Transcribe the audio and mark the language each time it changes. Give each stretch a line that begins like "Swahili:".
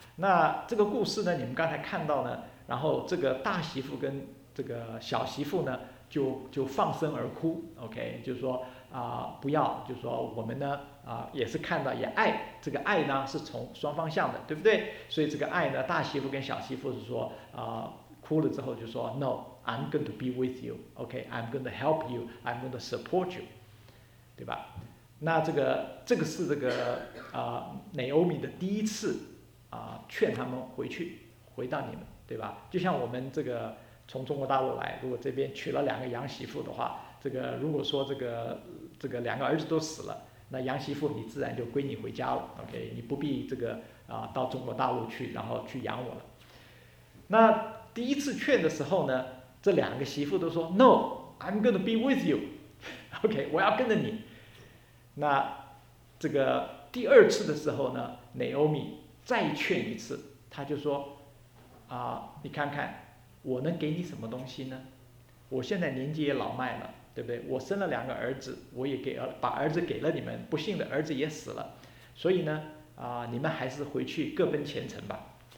Chinese: 那这个故事呢，你们刚才看到呢，然后这个大媳妇跟这个小媳妇呢就放声而哭 ，OK， 就说不要，就说我们呢也是看到也爱，这个爱呢是从双方向的，对不对？所以这个爱呢，大媳妇跟小媳妇是说哭了之后就说 No。
English: I'm going to be with you, okay? I'm going to help you, I'm going to support you,
Chinese: 对吧？那这个是这个Naomi 的第一次劝他们回去，回到你们，对吧？就像我们这个从中国大陆来，如果这边娶了两个洋媳妇的话，这个如果说这个两个儿子都死了，那洋媳妇你自然就归你回家了 ，okay？你不必这个到中国大陆去，然后去养我了。那第一次劝的时候呢？这两个媳妇都说
English: No, I'm going to be with you, OK,
Chinese: 我要跟着你。那这个第二次的时候呢， Naomi 再劝一次，她就说你看看我能给你什么东西呢？我现在年纪也老迈了，对不对？我生了两个儿子，我也把儿子给了你们，不幸的儿子也死了，所以呢你们还是回去各奔前程吧。